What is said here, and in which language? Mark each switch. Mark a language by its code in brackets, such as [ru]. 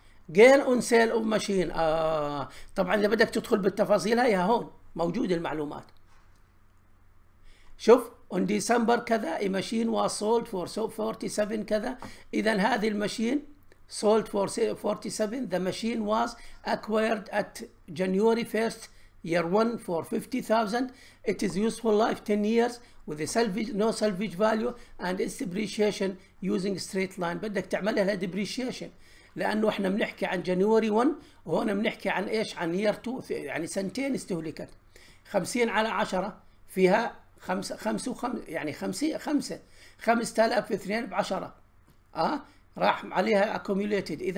[en] gain on sale of machine, [ar] طبعا اذا بدك تدخل بالتفاصيل هايها هون موجود المعلومات. [en] شوف on December كذا a machine was sold for 47 كذا، [ar] اذا هذه [en] الماشين sold for 47. The machine was acquired at January 1st year 1 for 50,000. It is useful life 10 years with a salvage, no salvage value and its depreciation using straight line. [ar] بدك تعمل لها depreciation لأنه احنا بنحكي عن January 1 وهنا بنحكي عن ايش؟ عن year 2، يعني سنتين استهلكت. 50 على 10 فيها 5 5 يعني 50 5 5000 في 2 ب 10 راح عليها accumulated.